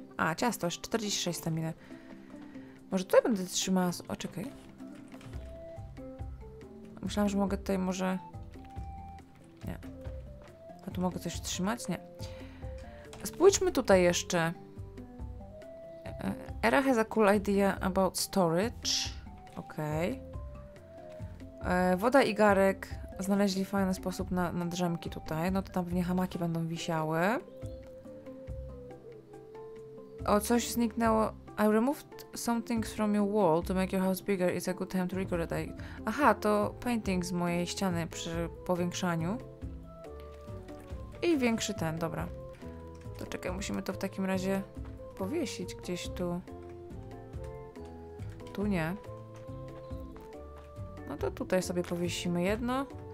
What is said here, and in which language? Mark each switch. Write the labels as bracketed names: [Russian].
[Polish] A, ciasto, 46 staminy. Może tutaj będę trzymała... O, czekaj. Myślałam, że mogę tutaj może... Nie. A tu mogę coś trzymać? Nie. Spójrzmy tutaj jeszcze. [English] Era has a cool idea about storage. [Polish] Okej. Okay. Woda i garek znaleźli fajny sposób na drzemki tutaj. No to tam pewnie hamaki będą wisiały. O, coś zniknęło. [English] I removed something from your wall to make your house bigger. It's a good time to record it. [Polish] Aha, to painting z mojej ściany przy powiększaniu. I większy ten, dobra. To czekaj, musimy to w takim razie powiesić gdzieś tu. Tu nie. No to tutaj sobie powiesimy jedno.